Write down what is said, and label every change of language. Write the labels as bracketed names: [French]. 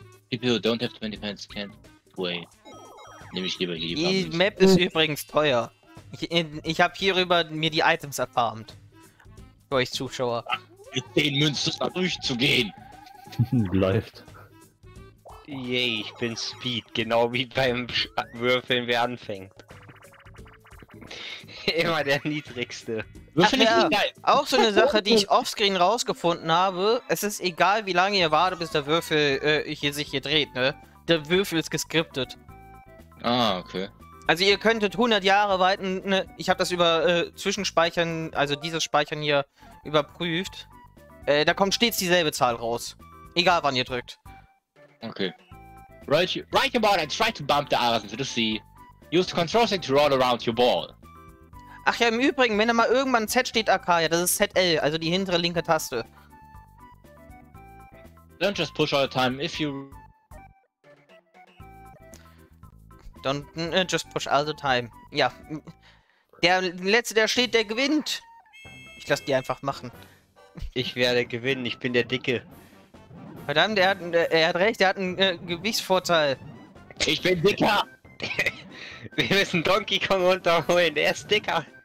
[English] People who don't have 20 pence can't wait. [German] Nehme ich lieber hier. Die Map ist übrigens teuer. Ich habe hierüber mir die Items erfarmt. Für euch Zuschauer. Mit 10 Münzen da durchzugehen. Läuft. Yay, ich bin Speed, genau wie beim Würfeln, wer anfängt. Immer der Niedrigste. Würfel ist geil. Auch so eine Sache, die ich offscreen rausgefunden habe: Es ist egal, wie lange ihr wartet, bis der Würfel sich hier dreht, ne? Der Würfel ist geskriptet. Ah, okay. Also, ihr könntet 100 Jahre warten, ne? Ich habe das über Zwischenspeichern, also dieses Speichern hier, überprüft. Da kommt stets dieselbe Zahl raus. Egal, wann ihr drückt. Okay. [English] Right about and try to bump the arrows into the sea. Use the control stick to roll around your ball. [German] Ach ja, im Übrigen, wenn da mal irgendwann Z steht, Akaya, das ist ZL, also die hintere linke Taste. [English] Don't just push all the time if you. Don't just push all the time. [German] Ja. Der letzte, der steht, der gewinnt. Ich lass die einfach machen. Ich werde gewinnen, ich bin der Dicke. Verdammt, er hat recht, er hat einen Gewichtsvorteil. Ich bin dicker! Wir müssen Donkey Kong runterholen, er ist dicker!